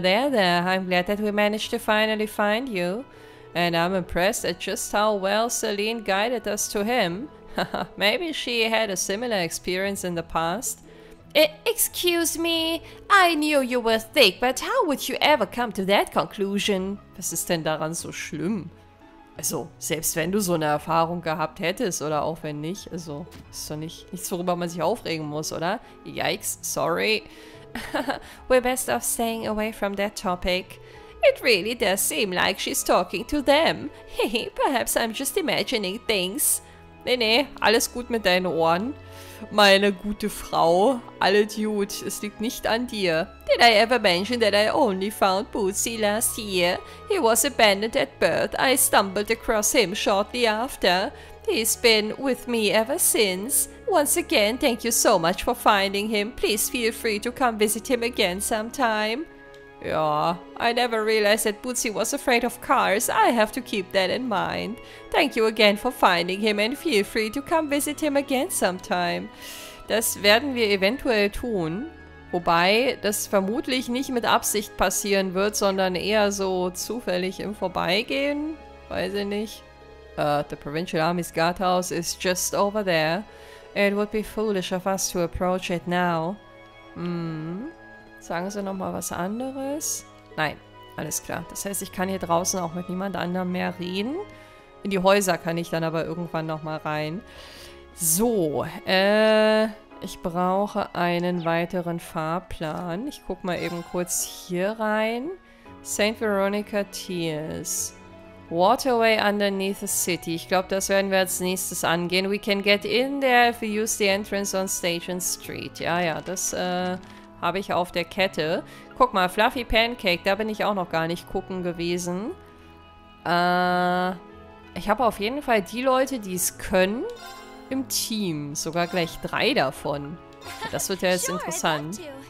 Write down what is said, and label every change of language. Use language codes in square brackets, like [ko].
[en] There, I'm glad that we managed to finally find you. And I'm impressed at just how well Celine guided us to him. Maybe she had a similar experience in the past. Excuse me, I knew you were thick, but how would you ever come to that conclusion? [de] Was ist denn daran so schlimm? Also, selbst wenn du so eine Erfahrung gehabt hättest, oder auch wenn nicht, also, ist doch nichts, worüber man sich aufregen muss, oder? [en] Yikes, sorry. We're best off staying away from that topic. It really does seem like she's talking to them. Hehe, perhaps I'm just imagining things. [de] Nee, alles gut mit deinen Ohren. Meine gute Frau, alle Dude, es liegt nicht an dir. [en] Did I ever mention that I only found Bootsy last year? He was abandoned at birth. I stumbled across him shortly after. He's been with me ever since. Once again, thank you so much for finding him. Please feel free to come visit him again sometime. Ja, I never realized that Bootsy was afraid of cars. I have to keep that in mind. Thank you again for finding him and feel free to come visit him again sometime. [de] Das werden wir eventuell tun. Wobei das vermutlich nicht mit Absicht passieren wird, sondern eher so zufällig im Vorbeigehen. Weiß ich nicht. [en] The Provincial Army's guardhouse is just over there. It would be foolish of us to approach it now. [de] Sagen Sie nochmal was anderes? Nein, alles klar. Das heißt, ich kann hier draußen auch mit niemand anderem mehr reden. In die Häuser kann ich dann aber irgendwann nochmal rein. So, ich brauche einen weiteren Fahrplan. Ich guck mal eben kurz hier rein. St. [en] Veronica Tears. Waterway underneath the city. [de] Ich glaube, das werden wir als nächstes angehen. [en] We can get in there if we use the entrance on Station Street. [de] Ja, ja, das habe ich auf der Kette. Guck mal, Fluffy Pancake, da bin ich auch noch gar nicht gucken gewesen. Ich habe auf jeden Fall die Leute, die es können. im Team. Sogar gleich drei davon. Das wird ja jetzt interessant.